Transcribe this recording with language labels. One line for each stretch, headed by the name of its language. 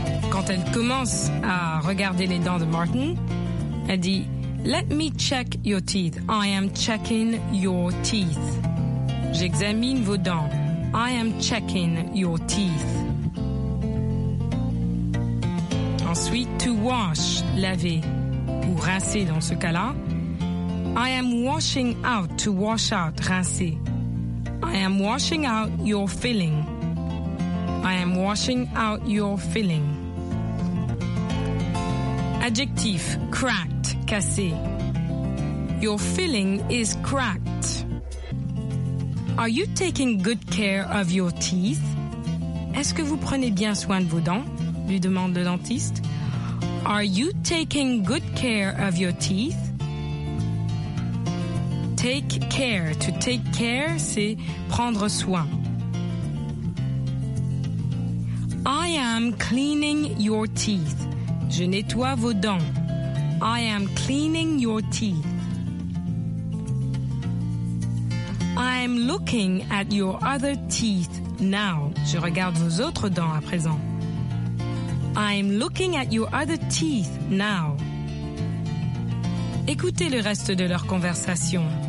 French: Quand elle commence à regarder les dents de Martin, elle dit
English: Let me check your teeth. I am checking your teeth.
French: J'examine vos dents.
English: I am checking your teeth.
French: Ensuite,
English: to wash,
French: laver, ou rincer dans ce cas-là.
English: I am washing out, to wash out, rincer. I am washing out your filling. I am washing out your filling. Adjective, cracked, cassé. Your filling is cracked. Are you taking good care of your teeth?
French: Est-ce que vous prenez bien soin de vos dents? Lui demande le dentiste.
English: Are you taking good care of your teeth? Take care. To take care,
French: c'est prendre soin.
English: I am cleaning your teeth.
French: Je nettoie vos dents.
English: I am cleaning your teeth. I'm looking at your other teeth now.
French: Je regarde vos autres dents à présent.
English: I'm looking at your other teeth now.
French: Écoutez le reste de leur conversation.